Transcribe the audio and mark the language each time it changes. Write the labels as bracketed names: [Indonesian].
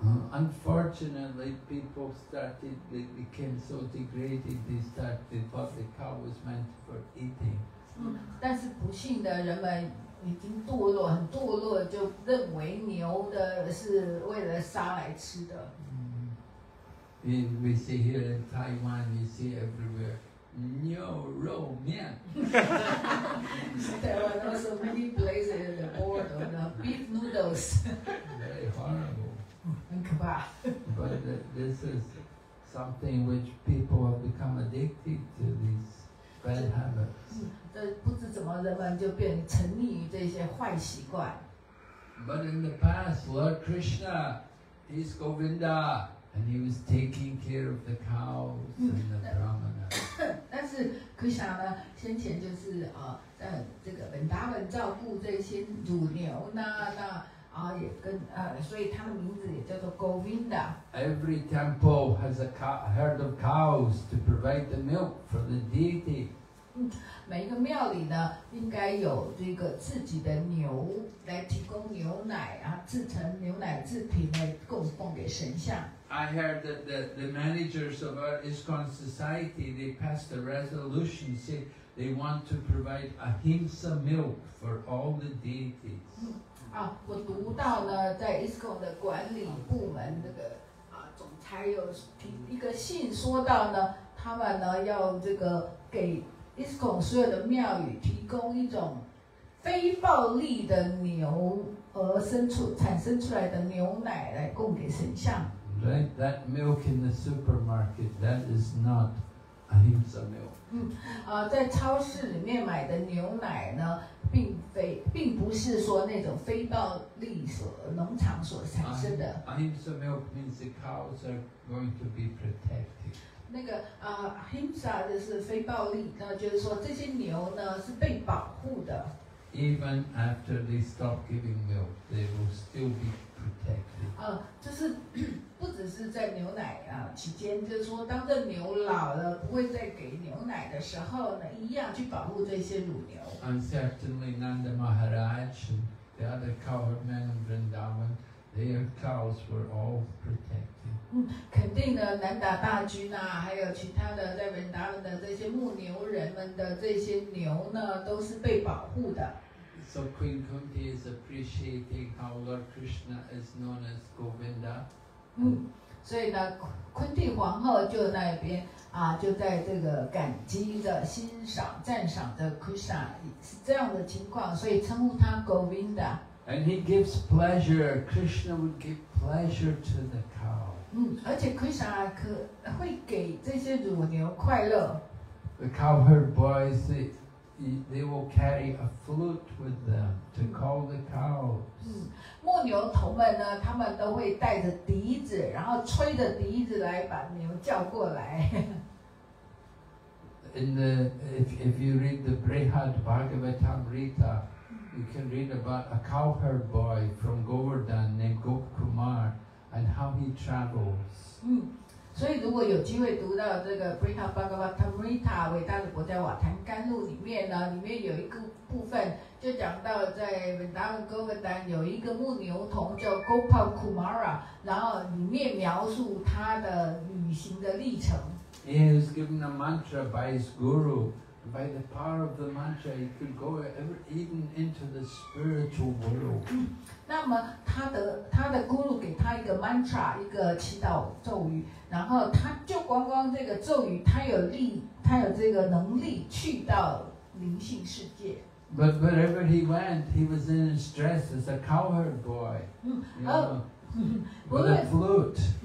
[English] Unfortunately, people started, they became so degraded, they started, they thought the cow was meant for eating. [Chinese] 但是不幸的人们 已经堕落，很堕落，就认为牛的是为了杀来吃的。 [English] We see here in Taiwan, you see everywhere, [Chinese] 牛肉面。 [English] Taiwan also many places in the border, the beef noodles. Very horrible. [Chinese] 很可怕。 [English] But this is something which people have become addicted to, these bad habits. [Chinese] 不知怎么人们就变成沉溺于这些坏习惯。 [English] But in the past, Lord Krishna, he's Govinda, and he was taking care of the cows and the brahmanas. [Chinese] 但是 Krishna 呢，先前就是这个本达本照顾这些乳牛呢，那也跟所以他的名字也叫做 Govinda. [English] Every temple has a herd of cows to provide the milk for the deity. [Chinese] 每一个庙里呢，应该有这个自己的牛来提供牛奶啊，制成牛奶制品来供奉给神像。 [English] I heard that the managers of our ISKCON society, they passed a resolution saying they want to provide ahimsa milk for all the deities. [Chinese] 我读到呢，在 ISKCON 的管理部门这个总裁有一个信说到呢，他们呢要这个给 ISKCON 所有的庙宇提供一种非暴力的牛而产生出来的牛奶来供给神像。 [English] Right, that milk in the supermarket, that is not ahimsa milk. [Chinese] 在超市里面买的牛奶呢，并不是说那种非暴力农场所产生的。 [English] Ahimsa milk means the cows are going to be protected. [Chinese] 那个ahimsa 就是非暴力，那就是说这些牛呢是被保护的。 [English] Even after they stop giving milk, they will still be protected. [Chinese] 就是。不只是在牛奶期间，就是说，当这牛老了，不会再给牛奶的时候呢，一样去保护这些乳牛。 [English] And certainly Nanda Maharaj and the other cowherd men in Vrindavan, their cows were all protected. [Chinese] 肯定的，南达大君啊，还有其他的在 Vrindavan 的这些牧牛人们的这些牛呢，都是被保护的。 [English] So Queen Kunti is appreciating how Lord Krishna is known as Govinda. [Chinese] 所以呢，昆蒂皇后就那边就在这个感激的欣赏、赞赏的 Krishna 是这样的情况，所以称呼他 Govinda。 [English] And he gives pleasure. Krishna would give pleasure to the cow. [Chinese] 而且 Krishna 会给这些乳牛快乐。 [English] The cowherd boys they will carry a flute with them to call the cows. [Chinese] 牧牛头们呢，他们都会带着笛子，然后吹着笛子来把牛叫过来。 [English] In the if you read the Brihad Bhagavatamrita, you can read about a cowherd boy from Govardhan named Gop Kumar and how he travels. [Chinese] 所以如果有机会读到这个 Brihad Bhagavatamrita 伟大的国家瓦坦甘露里面呢，里面有一个部分就讲到在 Vrindavan Govardhan 有一个牧牛童叫 Gopal Kumara， 然后里面描述他的旅行的历程。 [English] He was given a mantra by his guru. By the power of the mantra, he could go even into the spiritual world. [Chinese] 那么他的 guru 给他一个 mantra， 一个祈祷咒语，然后他就光这个咒语，他有这个能力去到灵性世界。 [English] But wherever he went, he was in stress as a cowherd boy, with a flute.